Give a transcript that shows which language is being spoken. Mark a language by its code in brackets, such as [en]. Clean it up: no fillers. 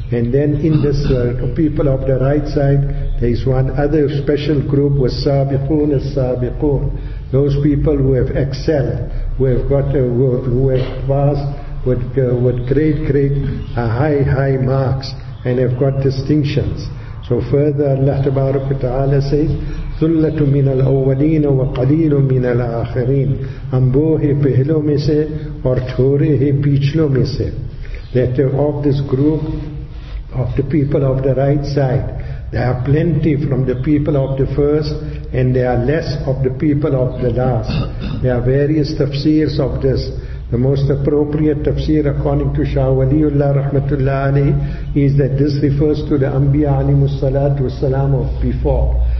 [en] And then in this people of the right side, there is one other special group, was sabiqun as-sabiqun. Those people who have excelled, who have passed with great, high marks and have got distinctions. So further, Allah Tabaraka Ta'ala says, [ar] ثُلَّةُ مِنَ الْأَوَّلِينَ وَقَلِيلٌ مِنَ الْآخِرِينَ [ur] امبوہِ پہلوں میں سے اور تھوڑے پیچھلوں میں سے. [en] That of this group, of the people of the right side, there are plenty from the people of the first, and there are less of the people of the last. There are various tafsirs of this. The most appropriate tafsir according to Shah Waliullah Rahmatullah Ali is that this refers to the Anbiya alayhimus salatu wassalam of before.